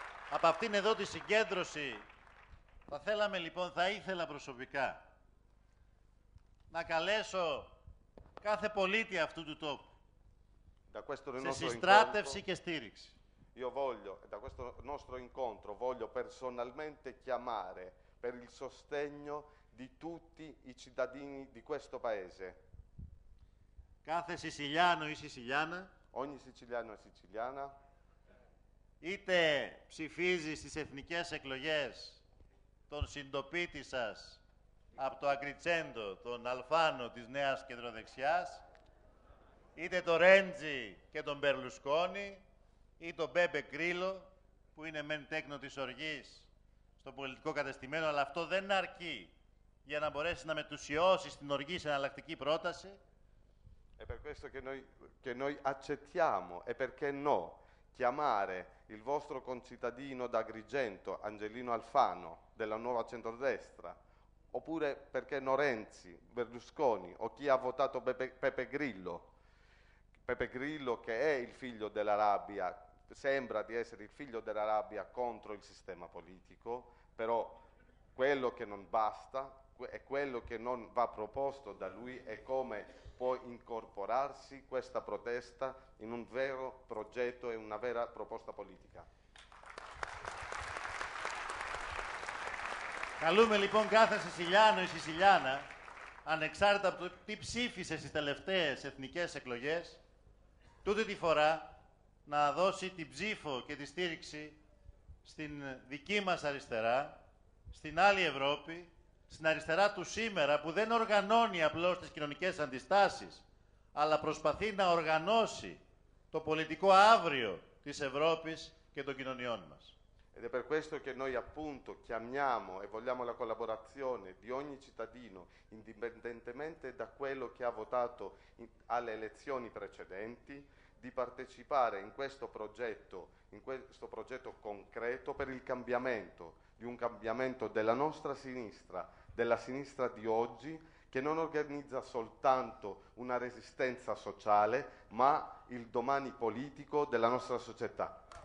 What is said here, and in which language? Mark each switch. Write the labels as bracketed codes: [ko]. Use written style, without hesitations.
[el] Από αυτήν εδώ τη συγκέντρωση θα θέλαμε, λοιπόν, θα ήθελα προσωπικά να καλέσω κάθε πολίτη αυτού του τόπου σε συστράτευση και στήριξη. [it] Io voglio, da questo nostro incontro, voglio personalmente chiamare per il sostegno di tutti i cittadini di questo paese. [el] Κάθε Σιλιάνο ή Σιλιάνα. [it] Ogni siciliano e siciliana. [el] Είτε ψηφίζει στις εθνικές εκλογές τον συντοπίτη σας από το Αγκριτσέντο, τον Αλφάνο της νέας κεντροδεξιάς, είτε το Ρέντζι και τον Μπερλουσκόνη, ή τον Μπέμπε Γκρίλο, που είναι μεν τέκνο της οργής στο πολιτικό κατεστημένο, αλλά αυτό δεν αρκεί για να μπορέσει να μετουσιώσει την οργή σε εναλλακτική πρόταση. [it] E per questo che noi accettiamo, e perché no, chiamare il vostro concittadino d'Agrigento, Angelino Alfano, della nuova centrodestra, oppure perché no Renzi, Berlusconi, o chi ha votato Pepe Grillo, che è il figlio della rabbia, sembra di essere il figlio della rabbia contro il sistema politico, però quello che non basta e quello che non va proposto da lui è come può incorporarsi questa protesta in un vero progetto e una vera proposta politica. [el] Καλούμε, λοιπόν, κάθε Σιλιάνο ή Σιλιάνα, ανεξάρτητα από το τι ψήφισε στις τελευταίες εθνικές εκλογές, τούτη τη φορά να δώσει την ψήφο και τη στήριξη στην δική μας αριστερά, στην άλλη Ευρώπη, στην αριστερά του σήμερα, που δεν οργανώνει απλώς τις κοινωνικές αντιστάσεις, αλλά προσπαθεί να οργανώσει το πολιτικό αύριο της Ευρώπης και των κοινωνιών μας. [it] Ed è per questo che noi appunto chiamiamo e vogliamo la collaborazione di ogni cittadino, indipendentemente da quello che ha votato alle elezioni precedenti, di partecipare in questo progetto concreto per il cambiamento, di un cambiamento della nostra sinistra, della sinistra di oggi, che non organizza soltanto una resistenza sociale, ma il domani politico della nostra società.